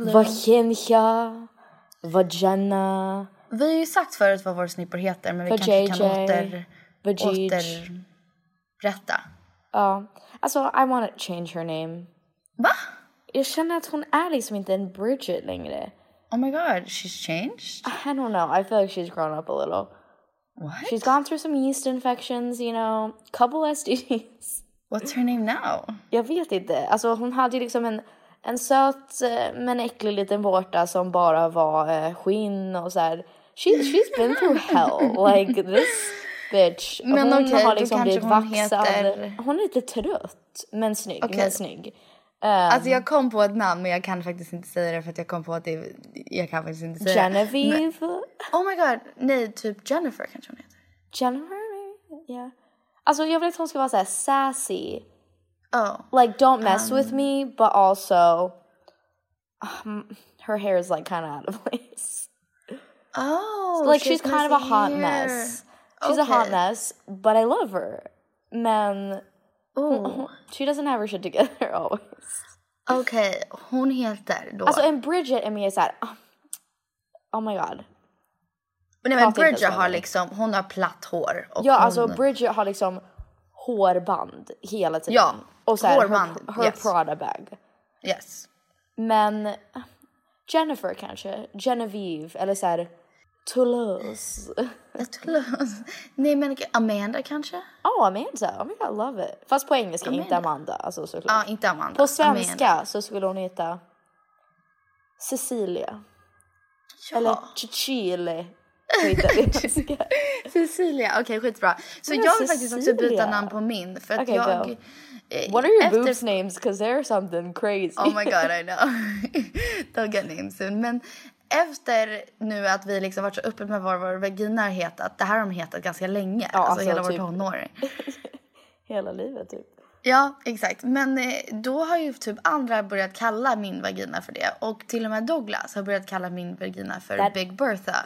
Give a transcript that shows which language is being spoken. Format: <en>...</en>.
<sv>Vagenja. Vagina. Vi har ju sagt förut vad våra snippor heter, men vi kanske kan återberätta. Ja, alltså,</sv> <en>I want to change her name.</en> <sv>Va? Jag känner att hon är liksom inte en Bridget längre.</sv> <en>Oh my god, she's changed? I don't know, I feel like she's grown up a little. What? She's gone through some yeast infections, you know, couple STDs. What's her name now?</en> <sv>Jag vet inte, alltså hon hade liksom en söt men äcklig liten vårta som bara var skinn och så här.</sv> <en>She's been through hell, like this bitch.</en> <sv>Men hon har liksom blivit vaxad. Hon är lite trött, men snygg, men snygg. Alltså jag kom på ett namn, men jag kan faktiskt inte säga det för att jag kom på att det är, jag kan faktiskt inte säga det. Genevieve? Men,</sv> <en>oh my god,</en> <sv>nej, typ Jennifer kanske hon heter. Jennifer? Ja.</sv> <en>Yeah.</en> <sv>Alltså jag vill att hon ska vara såhär sassy. Oh.</sv> <en>Like, don't mess with me, but also, her hair is like kind of out of place. Oh. So, like, she's kind of a hot mess. She's a hot mess, but I love her.</en> <sv>Men... Ooh.</sv> <en>She doesn't have her shit together always.</en> <sv>Okay, hon heter då. Alltså, and Bridget är mer såhär,</sv> <en>oh my god.</en> <sv>Men Bridget har liksom, hon har platt hår. Och ja, hon... alltså Bridget har liksom hårband hela tiden. Ja, och så här, hårband.</sv> <en>Her Prada bag. Yes.</en> <sv>Men Jennifer kanske, Genevieve, eller såhär Toulouse. Toulouse. Nej, men Amanda kanske? Oh, Amanda.</sv> <en>Oh my god, love it.</en> <sv>Fast på engelska, Amanda. Inte Amanda. Alltså, såklart. Ja, inte Amanda. På svenska Amanda. Så skulle hon heta Cecilia. Ja. Eller Chichile. Heter Cecilia, okej, skitbra. Så men jag vill faktiskt också byta namn på min. För att jag... Go.</sv> <en>What are your boobs names? Because they're something crazy. Oh my god, I know. Dogga names. Men</en> <sv>efter nu att vi liksom varit så öppet med vår vagina har hetat. Det här har de hetat ganska länge. Ja, alltså hela vårt tonår. Hela livet typ. Ja, exakt. Men då har ju typ andra börjat kalla min vagina för det. Och till och med Douglas har börjat kalla min vagina för that Big Bertha.</sv>